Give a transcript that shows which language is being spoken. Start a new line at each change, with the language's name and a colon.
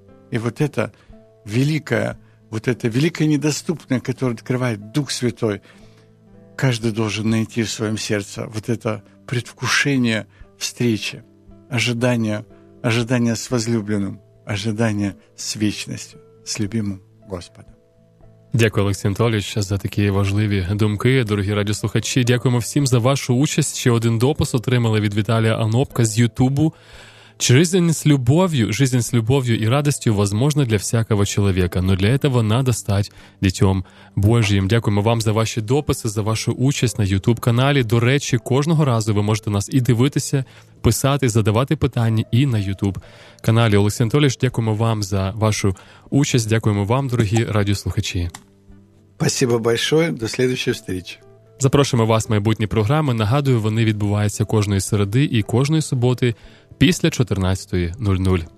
Russian: И вот это великое, вот это великое недоступное, которое открывает Дух Святой, каждый должен найти в своем сердце вот это предвкушение встречи, ожидание с возлюбленным, ожидание с вечностью, с любимым Господом.
Ukrainian: Дякую, Олексій Анатолійович, за такі важливі думки. Дорогі радіослухачі, дякуємо всім за вашу участь. Ще один допис отримали від Віталія Анопка з Ютубу.
Russian: Жизнь с любовью и радостью возможна для всякого человека, но для этого надо стать дитем Божьим.
Ukrainian: Дякуємо вам за ваші дописи, за вашу участь на YouTube-каналі. До речі, кожного разу ви можете нас і дивитися, писати, задавати питання і на YouTube-каналі. Олексій Анатолійович, дякуємо вам за вашу участь. Дякуємо вам, дорогі радіослухачі.
Russian: Спасибо большое. До следующей встречи.
Ukrainian: Запрошуємо вас в майбутні програми. Нагадую, вони відбуваються кожної середи і кожної суботи після 14:00.